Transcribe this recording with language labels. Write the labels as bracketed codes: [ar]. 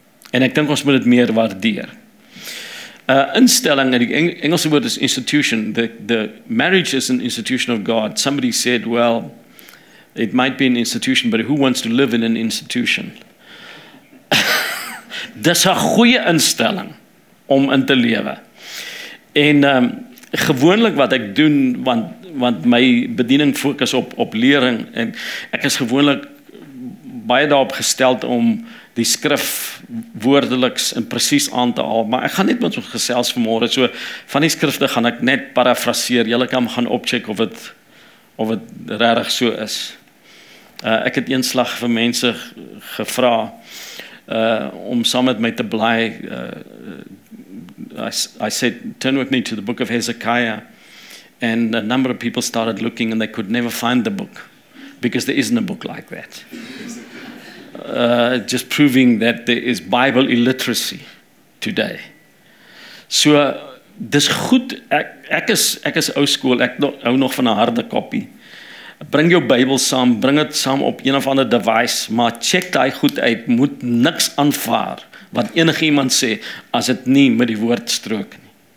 [af] En ek dink ons moet dit meer waardeer. Instelling, die Engelse woord is institution. [en] The marriage is an institution of God. Somebody said, well, it might be an institution, but who wants to live in an institution? [af] Dis 'n goeie instelling om in te lewe. En gewoonlik wat ek doen, want my bediening fokus op lering, en ek is gewoonlik baie daarop gesteld om die skrif woordeliks en precies aan te haal, maar ek gaan net met ons gesels vanmôre, so van die skrifte gaan ek net parafraseer, julle kan gaan opcheck of het regtig so is. Ek het een slag vir mense gevra om saam met my te bly. [en] I said, turn with me to the book of Hezekiah. And a number of people started looking and they could never find the book. Because there isn't a book like that. just proving that there is Bible illiteracy today. [af] So dis goed, ek is ou skool, ek hou nog van 'n harde kopie. Bring jou Bybel saam, bring dit saam op een of ander device, maar check daai goed uit, moet niks aanvaar wat enige iemand sê as dit nie met die woord strook nie.